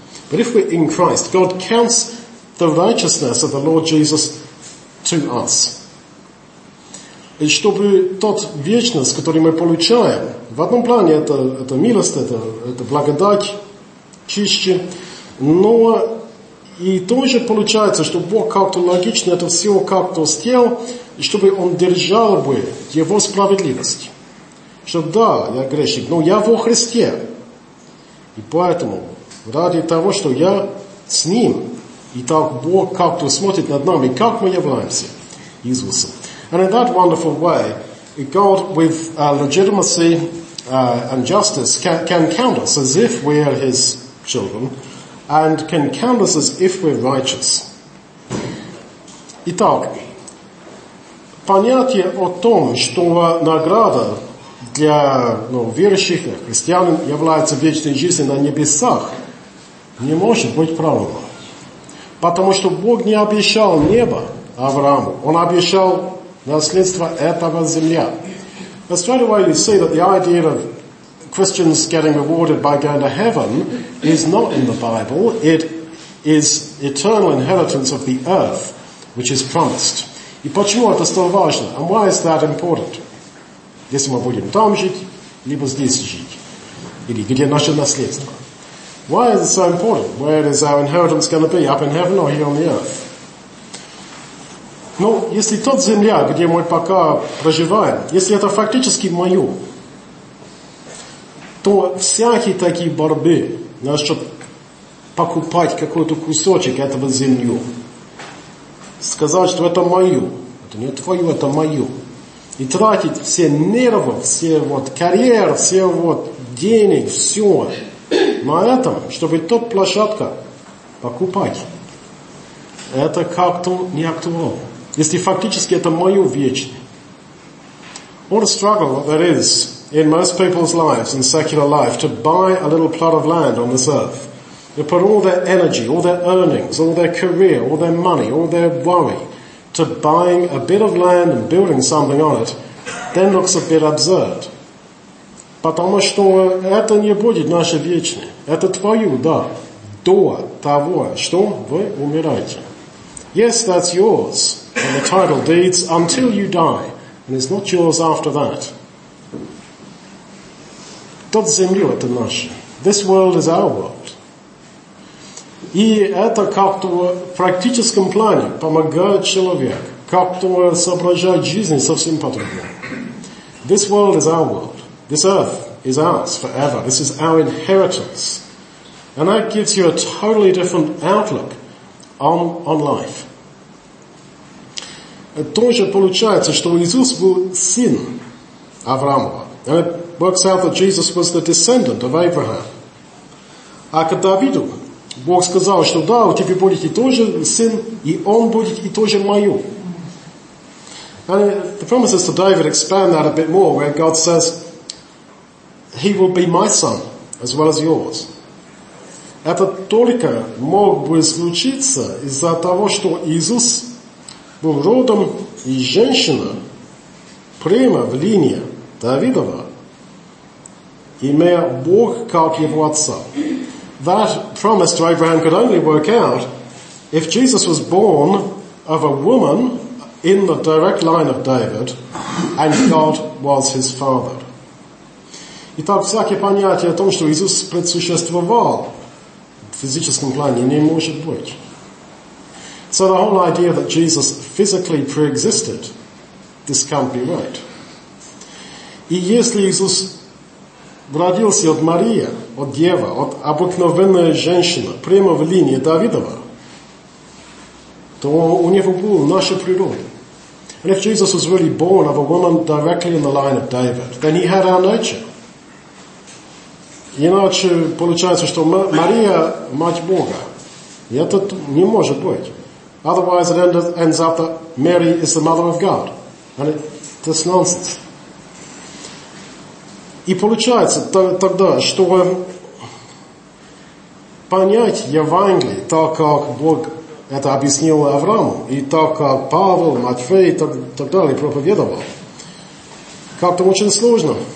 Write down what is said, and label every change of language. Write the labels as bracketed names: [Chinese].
[English] But if we're in Christ, God counts the righteousness of the Lord Jesus to us. [Russian] И чтобы тот вечность, который мы получаем, в одном плане это милость, это благодать, чище, но и тоже получается, что Бог как-то логично это все как-то сделал, чтобы он держал бы его справедливость. Что да, я грешник, но я во Христе. И поэтому, ради того, что я с ним, и так Бог как-то смотрит над нами, как мы являемся Иисусом. [English] And in that wonderful way, God, with legitimacy and justice, can count us as if we are his children, and can count us as if we're righteous. [Russian] Итак, понятие о том, что награда для верующих, христиан, является вечной жизнью на небесах, не может быть правильным. Потому что Бог не обещал небо Аврааму, он обещал наследство этого земля. [English] Now straight away you see that the idea of Christians getting rewarded by going to heaven is not in the Bible. It is eternal inheritance of the earth, which is promised. [Russian] И почему это столь важно? [English] And why is that important? [Russian] Если мы будем там жить, либо здесь жить. Или где наше наследство. [English] Why is it so important? Where is our inheritance going to be? Up in heaven or here on the earth? [Russian] Но если тот земля, где мы пока проживаем, если это фактически мое, то всякие такие борьбы, чтобы покупать какой-то кусочек этого земли, сказать, что это мое, это не твое, это мое, и тратить все нервы, все вот карьеры, все вот денег, все на этом, чтобы тот площадка покупать, это как-то не актуально. Если фактически это мое вечное. [English] What a struggle there is in most people's lives, in secular life, to buy a little plot of land on this earth. They put all their energy, all their earnings, all their career, all their money, all their worry to buying a bit of land and building something on it, then looks a bit absurd. [Russian] Потому что это не будет наше вечное. Это твое, да. До того, что вы умираете. [English] Yes, that's yours. And the title deeds until you die, and it's not yours after that. [Russian] Тот землю это наше. [English] This world is our world. [Russian] И это как-то в практическом плане помогает человек как-то соображать жизнь совсем по-другому. [English] This world is our world. This earth is ours forever. This is our inheritance, and that gives you a totally different outlook on life. [Russian] Тоже получается, что Иисус был сын Авраамова. [English] And it works out that Jesus was the descendant of Abraham. [Russian] А к Давиду Бог сказал, что да, у тебя будет и тоже сын, и он будет и тоже мою. [English] And the promises to David expand that a bit more, where God says, he will be my son, as well as yours. [Russian] Это только мог бы случиться из-за того, что Иисус был родом и женщина прямо в линии Давидова, имея Бог как его отца. [English] That promise to Abraham could only work out if Jesus was born of a woman in the direct line of David and God was his father. [Russian] И так всякое понятие о том, что Иисус предсуществовал в физическом плане, не может быть. [English] So the whole idea that Jesus physically pre-existed, this can't be right. [Russian] И если Иисус родился от Марии, от Девы, от обыкновенной женщины, прямо в линии Давидова, то у него была наша природа. [English] And if Jesus was really born of a woman directly in the line of David, then he had our nature. [Russian] Иначе получается, что Мария – мать Бога. И это не может быть. [English] Otherwise, it ends up that Mary is the mother of God. And that's nonsense. [Russian] И получается тогда, что понять Евангелие так, как Бог это объяснил Аврааму, и так, как Павел, Матфей и так далее проповедовал, как-то очень сложно.